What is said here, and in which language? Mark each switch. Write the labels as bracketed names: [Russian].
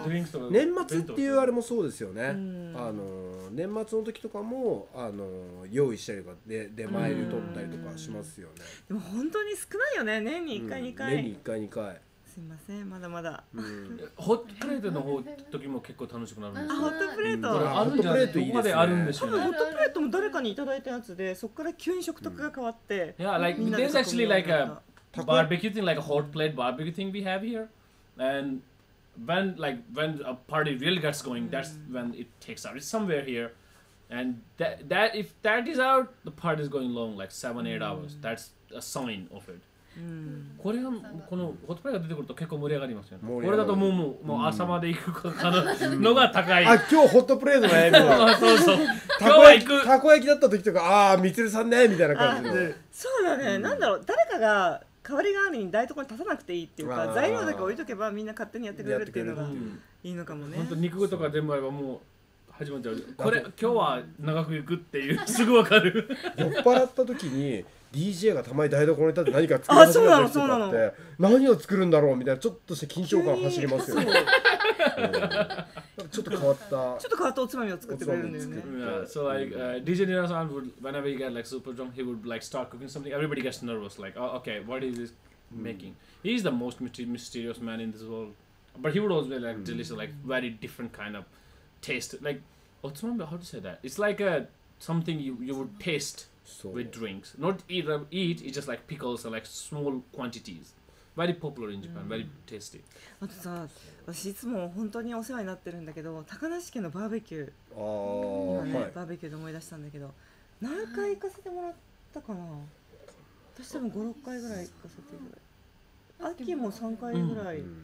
[Japanese] 年末っていうあれもそうですよね、年末の時とかも、用意したりとか出前で取ったりとかしますよね。でも本当に少ないよね、年に1回2回、年に1回2回、すいません、まだまだ、ホットプレートの方時も結構楽しくなるんですよ。あ、ホットプレート、これあるんじゃない、どこまであるんでしょう、ね、多分ホットプレートも誰かにいただいたやつで、そこから急に食卓が変わって、 [English] There's actually like a barbecue thing, like a hot plate barbecue thing we have here, andWhen like when a party really gets going, that's when it takes out. It's somewhere here, and that if that is out, the party is going long, like 7-8 hours. That's a sign of it. [Japanese] これがこのホットプレートが出てくると結構盛り上がりますよね。これだともう朝まで行くのが高い。あ、今日ホットプレートね。そうそう。今日は行く。たこ焼きだった時とか、ああ、みつるさんねみたいな感じで。そうだね。なんだろう、誰かが。代わりがあるに台所に立たなくていいっていうか、材料だけ置いとけばみんな勝手にやってくれるっていうのがいいのかもね。本当肉とか全部あればもう始まっちゃう。これ今日は長く行くっていうすぐわかる。酔っ払った時に DJ がたまに台所に立って何か作り始めた時とかって、何を作るんだろうみたいなちょっとした緊張感走りますよね。ちょっと変わった。ちょっと変わったおつまみを作ってくれるんだよね。 [English] So like DJ Nina-san would whenever he got like super drunk, he would like start cooking something. Everybody gets nervous. Like, oh, okay, what is this making? He's the most mysterious man in this world. But he would always be like delicious, like very different kind of taste. Like, おつまみ how to say that? It's like a something you would taste with drinks, not eat. It's just like pickles or like small quantities. Very popular in Japan. Very tasty. [Japanese] あとさ、私いつも本当にお世話になってるんだけど、高梨家のバーベキュー、あー今ね、はい、バーベキューで思い出したんだけど、何回行かせてもらったかな。私多分5、6回ぐらい行かせてもらった。秋も3回ぐらい。